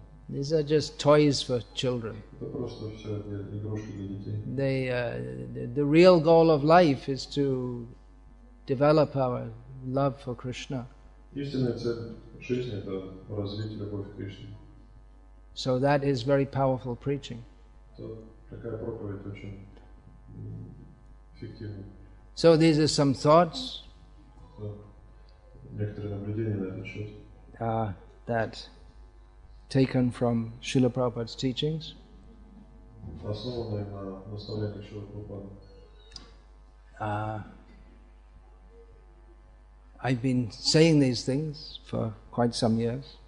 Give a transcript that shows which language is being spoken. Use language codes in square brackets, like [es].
[en] These are just toys for children. The real goal of life is to develop our love for Krishna. [ru] Истинная цель жизни — это развить любовь к Кришне. [en] So that is very powerful preaching. [ru] То такая проповедь очень эффективна. [en] So these are some thoughts. [ru] Некоторые наблюдения на этот счет. [en] That taken from Srila Prabhupada's teachings. [ru] Основанные на наставлениях Шрилы Прабхупады. [en] I've been saying these things for quite some years.